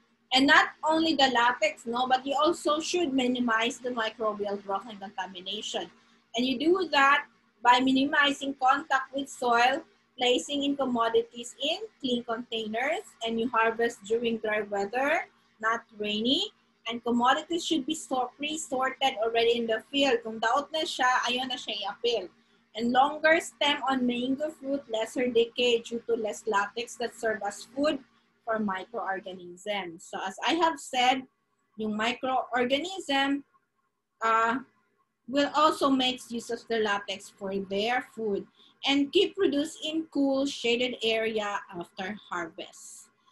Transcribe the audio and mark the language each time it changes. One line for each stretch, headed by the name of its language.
English: And not only the latex, no, but you also should minimize the microbial growth and contamination. And you do that by minimizing contact with soil, placing in commodities in clean containers, and you harvest during dry weather, not rainy. And commodities should be pre-sorted already in the field.
Cebuano: Kung daot na siya, ayaw na siya i-appeal.
English: And longer stem on mango fruit, lesser decay due to less latex that serve as food for microorganisms. So as I have said, yung microorganism will also make use of the latex for their food and keep produce in cool, shaded area after harvest.